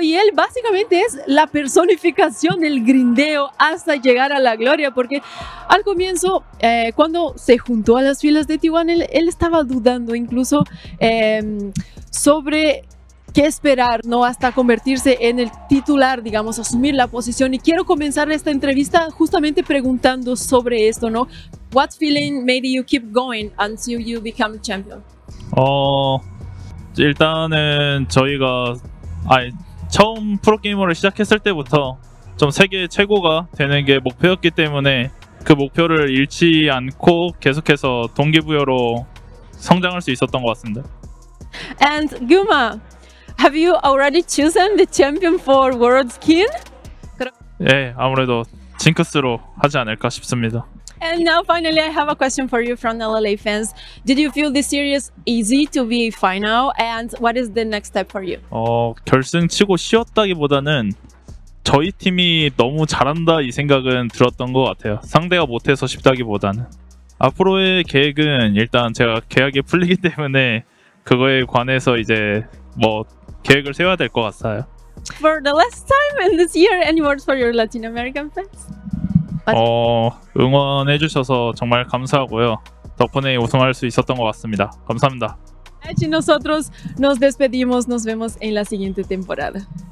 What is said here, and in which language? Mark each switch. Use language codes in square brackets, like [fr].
[es] Y él básicamente es la personificación del grindeo hasta llegar a la gloria, porque al comienzo, cuando se juntó a las filas de T1, él estaba dudando incluso sobre qué esperar, ¿no? Hasta convertirse en el titular, digamos, asumir la posición. Y quiero comenzar esta entrevista justamente preguntando sobre esto, ¿no? [en] What feeling made you keep going until you become champion? [ko] 일단은 저희가 처음 프로게이머를 시작했을 때부터 좀 세계 최고가 되는 게 목표였기 때문에 그 목표를 잃지 않고 계속해서 동기부여로 성장할 수 있었던 것 같습니다. [en] And Guma, have you already chosen the champion for World Skin? [ko] 예, 아무래도 징크스로 하지 않을까 싶습니다. [en] And now finally I have a question for you from LLA fans. Did you feel this series easy to be final and what is the next step for you? [ko] 결승 치고 쉬었다기보다는 저희 팀이 너무 잘한다 이 생각은 들었던 것 같아요. 상대가 못해서 쉽다기보다는 앞으로의 계획은 일단 제가 계약이 풀리기 때문에 그거에 관해서 이제 뭐 계획을 세워야 될 것 같아요. [en] For the last time in this year, any words for your Latin American fans? [ko] 응원해 주셔서 정말 감사하고요. 덕분에 우승할 수 있었던 것 같습니다. 감사합니다. [es] Nosotros nos despedimos, nos vemos en la siguiente temporada.